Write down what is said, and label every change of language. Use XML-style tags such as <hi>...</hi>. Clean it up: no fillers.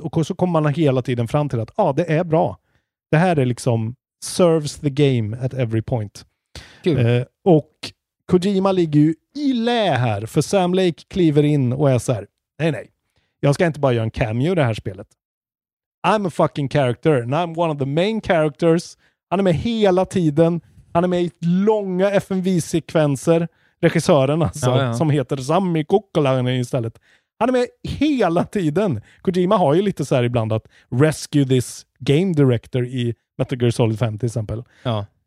<sv>Och så kommer man hela tiden fram till att det är bra. Det här är liksom</sv> <en>serves the game at every point.</en> <sv>Kul. Och Kojima ligger ju i lä här, för Sam Lake kliver in och är så här, nej, jag ska inte bara göra en cameo i det här spelet.</sv> <en>I'm a fucking character and I'm one of the main characters.</en> <sv>Han är med hela tiden. Han är med i långa FMV-sekvenser. Regissören alltså, som heter Sami Kukkolainen istället. Han är med hela tiden. Kojima har ju lite så här ibland att</sv> <en>rescue this game director</en> <sv>i Metal Gear Solid 5 till exempel. Ja.</sv>